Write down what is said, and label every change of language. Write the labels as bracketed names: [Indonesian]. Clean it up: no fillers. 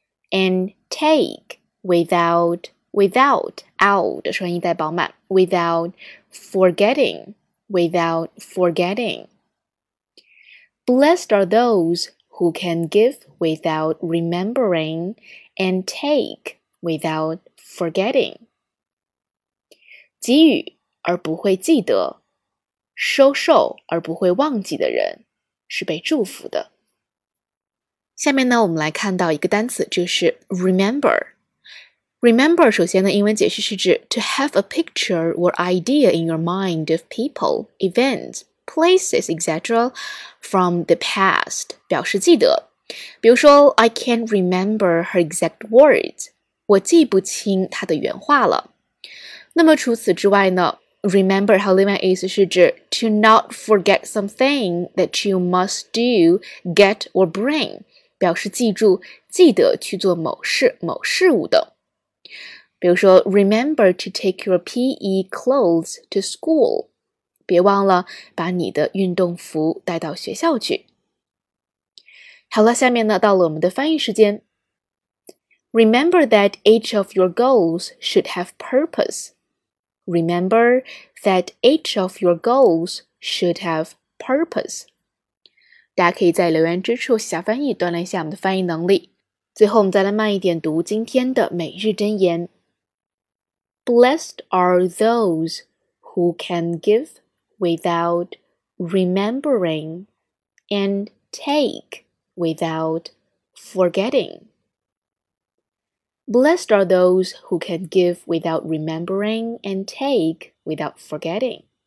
[English] and take without without out [Chinese] 的声音带饱满 [English] without forgetting without forgetting blessed are those who can give without remembering and takeWithout forgetting. [Chinese] 给予而不会记得，收受而不会忘记的人是被祝福的。下面呢，我们来看到一个单词，就是 remember. [English] Remember [Chinese] 首先呢，英文解释是指 [English] to have a picture or idea in your mind of people, events, places, etc. from the past. [Chinese] 表示记得。比如说 [English] I can't remember her exact words. [Chinese] 我记不清它的原话了。那么除此之外呢 ,remember 还有另外意思是指 [English] to not forget something that you must do, get or bring, [Chinese] 表示记住记得去做某事某事物的。比如说 , [English] remember to take your PE clothes to school, [Chinese] 别忘了把你的运动服带到学校去。好了下面呢到了我们的翻译时间。 [English] Remember that each of your goals should have purpose. Remember that each of your goals should have purpose. [Chinese] 大家可以在留言之处写下翻译，锻炼一下我们的翻译能力。最后，我们再来慢一点读今天的每日箴言。 [English] Blessed are those who can give without remembering and take without forgetting. Blessed are those who can give without remembering and take without forgetting.